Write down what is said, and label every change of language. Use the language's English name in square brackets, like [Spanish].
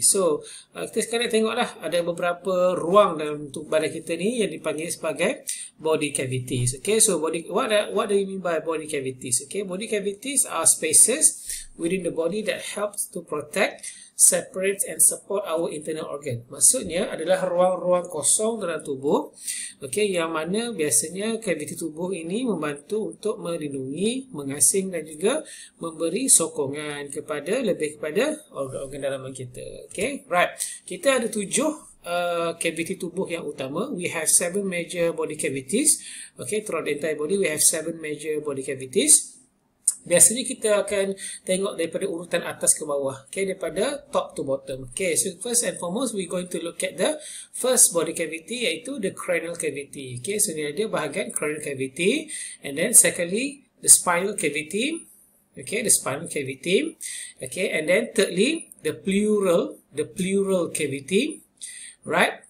[Malay] So, kita sekarang tengoklah ada beberapa ruang dalam untuk badan kita ni yang dipanggil sebagai body cavities. [English] Okay, so body, what do you mean by body cavities? Okay, body cavities are spaces within the body that helps to protect, separate and support our internal organ. [Malay] Maksudnya adalah ruang-ruang kosong dalam tubuh, okay, yang mana biasanya cavity tubuh ini membantu untuk melindungi, mengasing dan juga memberi sokongan kepada, lebih kepada organ-organ dalaman kita. Okay, right. Kita ada 7 cavity tubuh yang utama. [English] We have 7 major body cavities. Okay, throughout the entire body, we have 7 major body cavities. [Malay] Biasanya kita akan tengok daripada urutan atas ke bawah. [English] Okay, daripada top to bottom. Okay, so first and foremost, we going to look at the first body cavity, iaitu the cranial cavity. Okay, [Malay] so ni ada bahagian [English] cranial cavity. And then secondly, the spinal cavity. okay, the spinal cavity, okay, and then thirdly, the pleural cavity, right?